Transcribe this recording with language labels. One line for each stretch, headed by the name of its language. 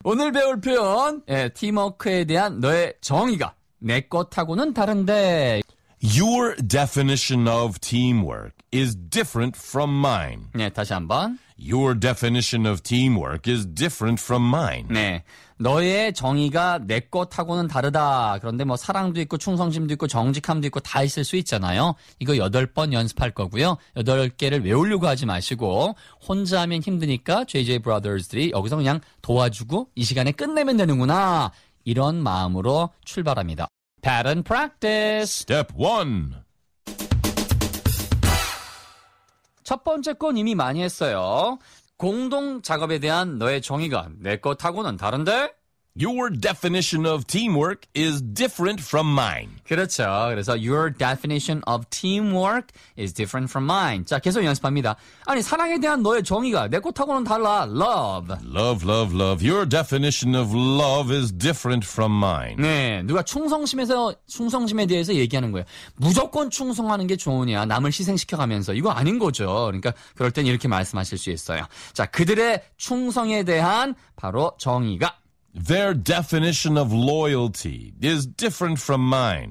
Korean: 오늘 배울 표현, 예, 팀워크에 대한 너의 정의가 내 것하고는 다른데.
English: Your definition of teamwork is different from mine.
Korean: 네, 다시 한번.
English: Your definition of teamwork is different from mine.
Korean: 네, 너의 정의가 내 것하고는 다르다. 그런데 뭐 사랑도 있고 충성심도 있고 정직함도 있고 다 있을 수 있잖아요. 이거 여덟 번 연습할 거고요. 여덟 개를 외우려고 하지 마시고 혼자 하면 힘드니까 JJ Brothers들이 여기서 그냥 도와주고 이 시간에 끝내면 되는구나. 이런 마음으로 출발합니다.
English: Pattern practice. Step 1.
Korean: 첫 번째 건 이미 많이 했어요. 공동 작업에 대한 너의 정의가 내 것하고는 다른데?
English: Your definition of teamwork is different from mine.
Korean: 그렇죠. 그래서
English: your definition of teamwork is different from mine.
Korean: 자, 계속 연습합니다. 아니, 사랑에 대한 너의 정의가 내 것하고는 달라.
English: Love. Love, love, love. Your definition of love is different from mine.
Korean: 네, 누가 충성심에 대해서 얘기하는 거예요. 무조건 충성하는 게 좋으냐. 남을 희생시켜가면서. 이거 아닌 거죠. 그러니까 그럴 땐 이렇게 말씀하실 수 있어요. 자, 그들의 충성에 대한 바로 정의가.
English: Their definition of loyalty is different from mine.